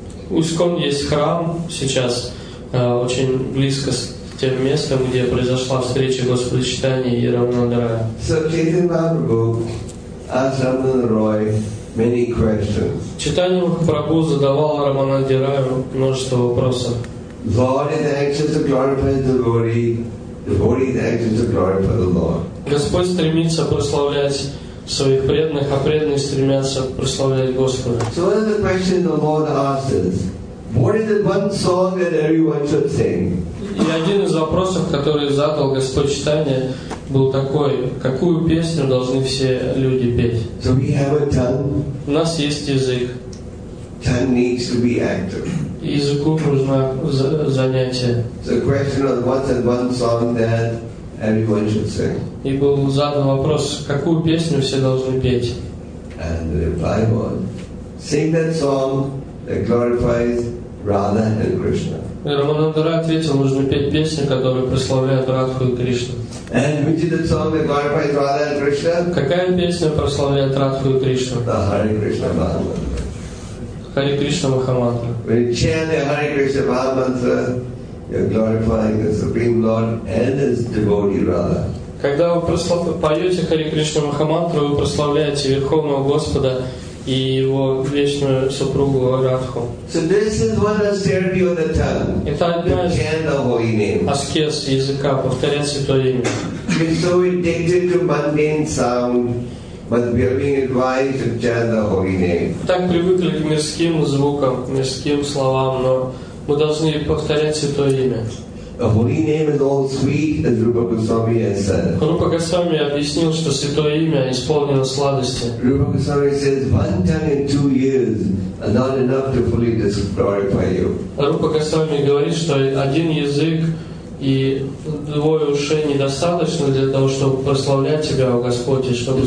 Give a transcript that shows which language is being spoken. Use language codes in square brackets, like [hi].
[ru] Искон есть храм сейчас, очень близко с тем местом, где произошла встреча Господа Чайтаньи и Рамананда Рая. [en] So Chaitanya Mahaprabhu asked Рамананда Рая many questions. [ru] Чайтанья Махапрабху задавал Рамананде Раю множество вопросов. [en] Lord is anxious to glorify the devotee. The devotee is anxious to glorify the Lord. [ru] Господь стремится прославлять своих преданных, а преданные стремятся прославлять Господа. [en] So one of the questions the Lord asks is, what is the one song that everyone should sing? [ru] И один из вопросов, который задал Господь Чайтанья, был такой: какую песню должны все люди петь? [en] So we have a tongue. [ru] У нас есть язык. [en] Tongue needs to be active. [ru] Языку нужно занятие. [en] So question was, what's the one song that everyone should sing? [ru] И был задан вопрос: какую песню все должны петь? [en] And the reply was, sing that song that glorifies Radha and Krishna. [ru] Рамананда Рай ответил, нужно петь песни, которые прославляют Радху и Кришну. [en] And which is the song that glorifies Radha and Krishna? [ru] Какая песня прославляет Радху и Кришну? [en] The Hare Krishna Mahamantra. [ru] Hare Krishna Mahamantra. [en] When you chant the Hare Krishna Mahamantra, you're glorifying the Supreme Lord and His devotee Radha. [ru] Когда вы поете Hare Krishna Mahamantra, вы прославляете Верховного Господа и его вечную супругу Радху. [en] So this is one austerity of the tongue. [ru] Это одна из аскез языка, повторять святое имя. [en] We're so addicted to mundane sound, but we're being advised to chant the holy name. [ru] Так привыкли к мирским звукам, мирским словам, но мы должны повторять святое имя. [en] The holy name is all sweet, as Rupa Goswami has said. [ru] Rupa Goswami объяснил, что святое имя исполнено сладости. [en] Rupa Goswami says, one tongue in 2 years are not enough to fully glorify you. [ru] Rupa Goswami говорит, что один язык и двое ушей недостаточно для того, чтобы прославлять тебя, о Господи, чтобы